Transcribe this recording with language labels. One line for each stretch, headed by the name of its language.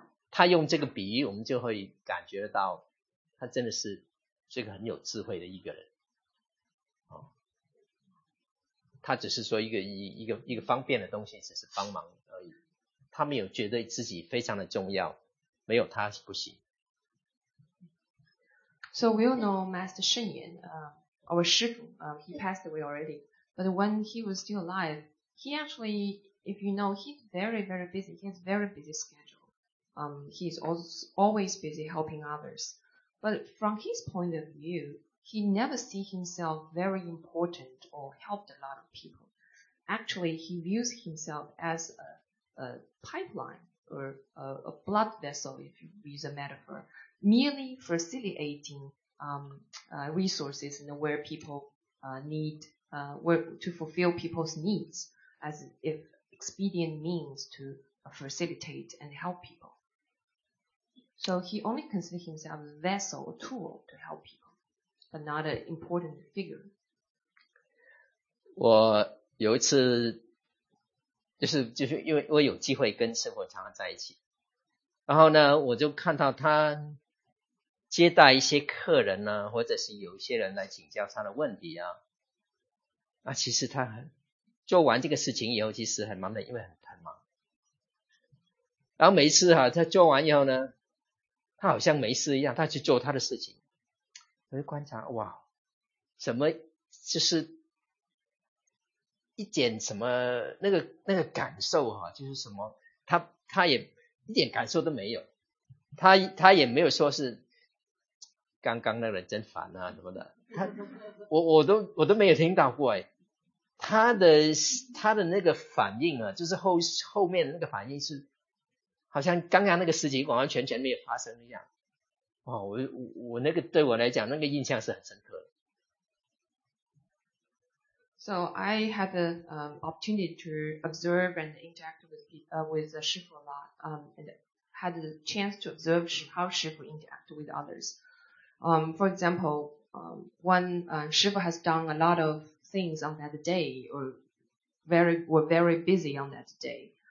Chinese: 他用这个比喻，我们就会感觉到他真的是这个很有智慧的一个人。哦、他只是说一个方便的东西，只是帮忙而已。他没有觉得自己非常的重要，没有他是不行。
English: So we all know Master Shen Yan, our 师父, he passed away already. But when he was still alive, he actually, if you know, he's very, very busy. He has a very busy schedule. He's always busy helping others. But from his point of view, he never see himself very important or helped a lot of people. Actually, he views himself as a pipeline or a blood vessel, if you use a metaphor, merely facilitating resources and where people needto fulfill people's needs as if expedient means to facilitate and help people. So he only considers himself a vessel, a tool to help people, but not an important figure.
Chinese: 我有一次就是因为我有机会跟师父常常在一起，然后呢我就看到他接待一些客人呢，或者是有一些人来请教他的问题啊。那、啊、其实他做完这个事情以后，其实很忙的，因为很忙。然后每一次哈、啊，他做完以后呢，他好像没事一样，他去做他的事情。我就观察，哇，怎么就是一点什么那个感受啊，就是什么他也一点感受都没有，他也没有说是刚刚那个人真烦啊什么的，他我都没有听到过哎，他的那个反应啊，就是后面那个反应是好像刚刚那个事情完完全全没有发生一样。哦，我那个对我来讲那个印象是很深刻的。
English: So I had the opportunity to observe and interact with the Shifu a lot, and had the chance to observe how Shifu interact with others. For example, Shifu has done a lot of things on that day, or were very busy on that day.